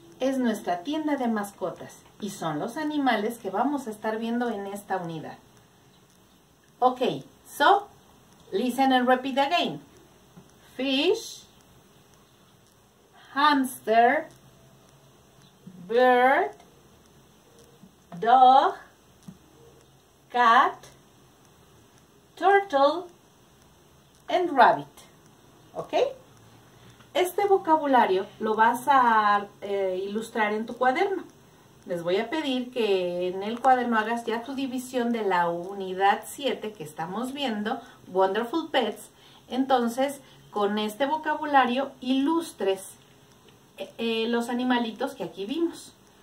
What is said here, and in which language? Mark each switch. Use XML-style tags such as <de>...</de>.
<es>Es nuestra tienda de mascotas y son los animales que vamos a estar viendo en esta unidad.</es> <en>Okay, so, listen and repeat again. Fish, hamster, bird, dog, cat, turtle, and rabbit. Okay?</en> <es>Este vocabulario lo vas a ilustrar en tu cuaderno. Les voy a pedir que en el cuaderno hagas ya tu división de la unidad 7 que estamos viendo, Wonderful Pets. Entonces, con este vocabulario, ilustres los animalitos que aquí vimos.</es>